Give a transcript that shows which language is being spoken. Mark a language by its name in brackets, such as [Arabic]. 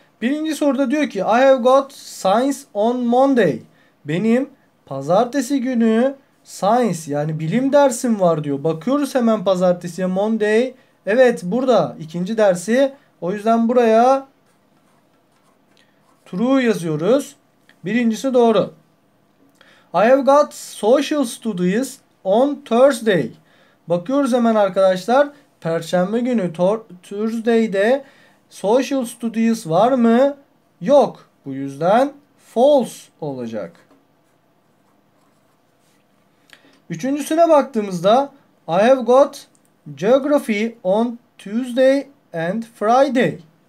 [Turkish] Birinci soruda diyor ki [English] I have got science on Monday. [Turkish] Benim pazartesi günü science yani bilim dersim var diyor. Bakıyoruz hemen pazartesiye Monday. Evet, burada ikinci dersi. O yüzden buraya true yazıyoruz. Birincisi doğru. [English] I have got social studies on Thursday. [Turkish] Bakıyoruz hemen arkadaşlar. Perşembe günü Thursday'de social studies var mı? Yok. Bu yüzden false olacak. Üçüncüsüne baktığımızda [English] I have got geography on Tuesday and Friday.